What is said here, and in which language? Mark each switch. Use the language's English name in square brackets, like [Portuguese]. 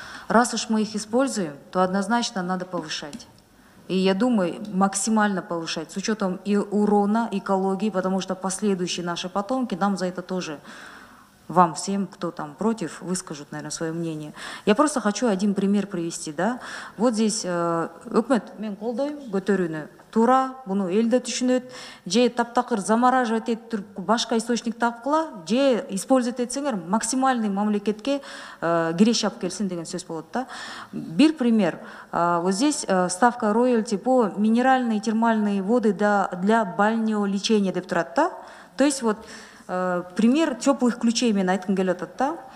[Russian] Раз уж мы их используем, то однозначно надо повышать. И я думаю, максимально повышать, с учетом и урона экологии, потому что последующие наши потомки нам за это тоже, вам всем, кто там против, выскажут, наверное, свое мнение. Я просто хочу один пример привести, да. Вот здесь [Kyrgyz] үкмет мен колдойм көтөрүүнү. Тура, буну элде түшүнөт, же таптакыр замораживать этип башка источник тапкыла, же использовать этсеңер максимальный мамлекетке киреш алып келсин деген сөз болот да. Бир пример. [Russian] Вот здесь ставка роялти по минеральные и термальные воды для бальнеолечения [Kyrgyz] деп турат да. [Russian] То есть вот пример теплых ключей [Kyrgyz] мен айткым келет да.